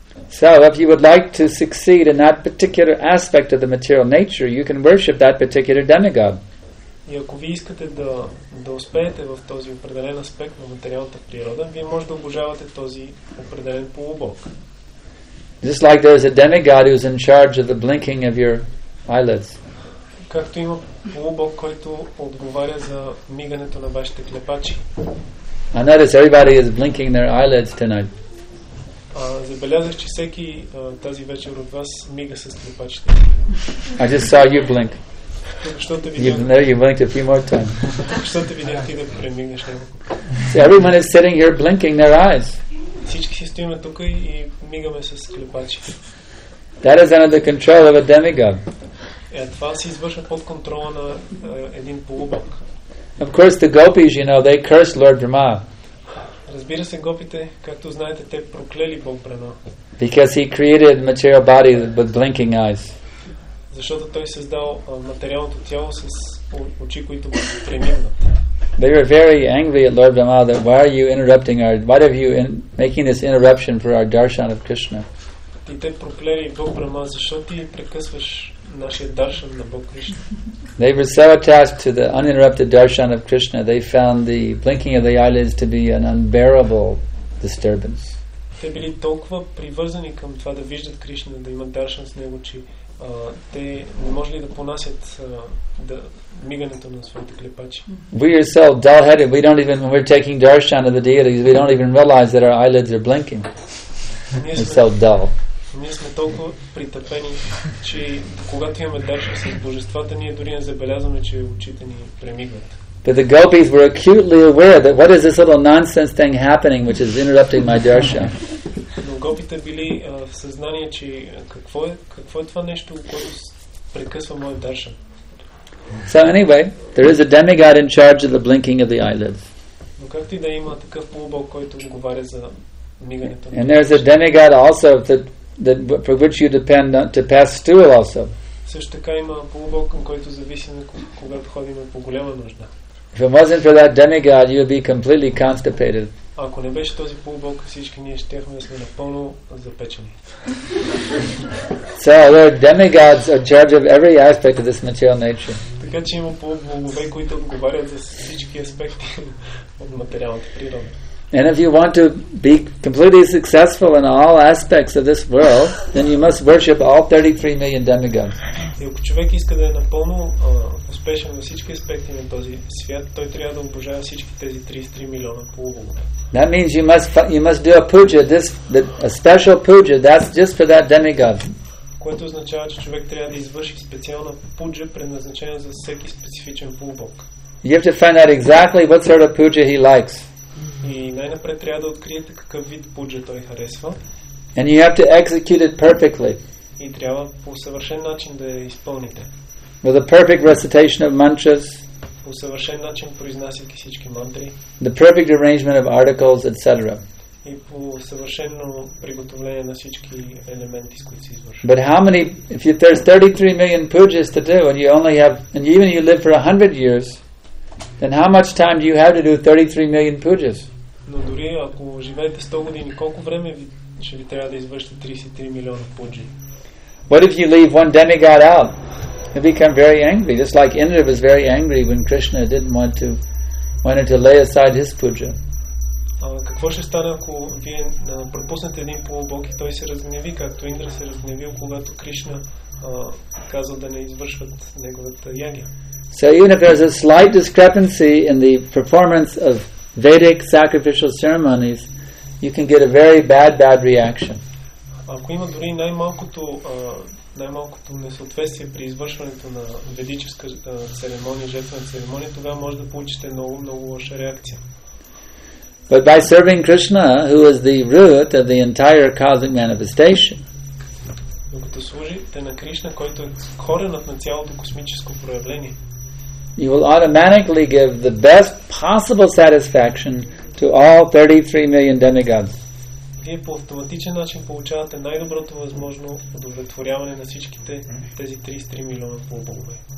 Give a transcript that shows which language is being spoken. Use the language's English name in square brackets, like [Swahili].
[English] So, if you would like to succeed in that particular aspect of the material nature, you can worship that particular demigod. [Bulgarian] И ако вие искате да успеете в този определен аспект на материалната природа, вие може да обожавате този определен полубог. [English] Just like there is a demigod who is in charge of the blinking of your eyelids. [Bulgarian] Както има полубог, който отговаря за мигането на вашите клепачи. [English] I notice everybody is blinking their eyelids tonight. [Bulgarian] Забелязах, че всеки тази вечер от вас мига с клепачите. [English] I just saw you blink. You blinked a few more times. [Bulgarian] Защото видях ти да премигнеш някакво. [English] Everyone is sitting here blinking their eyes. [Bulgarian] Всички си стоим тук и мигаме с клепачите. [English] That is under the control of a demigod. [Bulgarian] Това се извършва под контрола на един полубог. [English] Of course, the gopis, you know, they curse Lord Brahma. [Bulgarian] Разбира се, гопите, както знаете, те проклели Бог Брама. [English] Because he created material body with blinking eyes. [Bulgarian] Защото той създал материалното тяло с очи, които премигнат. [English] They were very angry at Lord Brahma that why are you interrupting our, why are you in, making this interruption for our darshan of Krishna? [Bulgarian] Ти те проклели Бог Брама, защо ти прекъсваш нашия даршан на Бог Кришна? [English] They were so attached to the uninterrupted darshan of Krishna, they found the blinking of the eyelids to be an unbearable disturbance. [Bulgarian] Те били толкова привързани към това да виждат Кришна, да имат даршан с него, че те не можели да понасят да мигането на своите клепачи. [English] We are so dull-headed, we don't even, when we're taking darshan of the deities, we don't even realize that our eyelids are blinking. We're so dull. [Bulgarian] Ние сме толкова притъпени, че когато имаме даршан с божествата, ние дори не забелязваме, че очите ни премигват. [English] But the gopis were acutely aware that what is this little nonsense thing happening which is interrupting my darshan. [Bulgarian] Но гопите били в съзнание, че какво е това нещо, което прекъсва моя даршан. [English] So anyway, there is a demigod in charge of the blinking of the eyelids. [Bulgarian] Но как ти да има такъв полубог, който говори за мигането? [English] And there is a demigod also that for which you depend on, to pass stool also. [Bulgarian] Също така има полубог, към който зависи на когато ходим по голяма нужда. [English] If it wasn't for that demigod, you would be completely constipated. [Bulgarian] Ако не беше този полубог, всички ние щяхме да сме напълно запечени. [English] So there are demigods in charge of every aspect of this material nature. [Bulgarian] Така че има полубогове, които отговарят за всички аспекти от материалната природа. [English] And if you want to be completely successful in all aspects of this world, then you must worship all 33 million demigods. [Bulgarian] И ако човек иска да е напълно успешен на всички аспекти на този свят, той трябва да обожава всички тези 33 милиона полубогове. [English] That means you must do a puja, a special puja, that's just for that demigod. [Bulgarian] Което означава, че човек трябва да извърши специална пуджа, предназначена за всеки специфичен полубог. [English] You have to find out exactly what sort of puja he likes. [Bulgarian] И най-напред трябва да откриете какъв вид пуджа той харесва. [English] And you have to execute it perfectly. [Bulgarian] И трябва по съвършен начин да я изпълните. [English] With a perfect recitation of mantras. [Bulgarian] По съвършен начин произнасяйки всички мантри. [English] The perfect arrangement of articles, etc. [Bulgarian] И по съвършено приготовление на всички елементи, с които се извършва. [English] But how many, if there's 33 million pujas to do and you only have, and even you live for 100 years, then how much time do you have to do 33 million pujas? [Bulgarian] Но дори ако живеете 100 години, колко време ще ви трябва да извършите 33 милиона пуджи? [English] What if you leave one demigod out? He become very angry, just like Indra was very angry when Krishna didn't want to wanted to lay aside his puja. [Bulgarian] Какво ще стане, ако вие пропуснете един полубог и той се разгневи, както Индра се разгневил, когато Кришна казал да не извършват неговата яги? [English] So even if there's a slight discrepancy in the performance of Vedic sacrificial ceremonies, you can get a very bad reaction. [Bulgarian] Ако има дори най-малкото несъответствие при извършването на ведическа церемония, жертвена церемония, тогава може да получите много лоша реакция. [English] But by serving Krishna, who is the root of the entire cosmic manifestation. [Bulgarian] Докато служите на Кришна, който е коренът на цялото космическо проявление. [English] You will automatically give the best possible satisfaction to all 33 million demigods. [Bulgarian] Вие по автоматичен начин получавате най-доброто възможно удовлетворяване на всичките тези 33 милиона полубогове.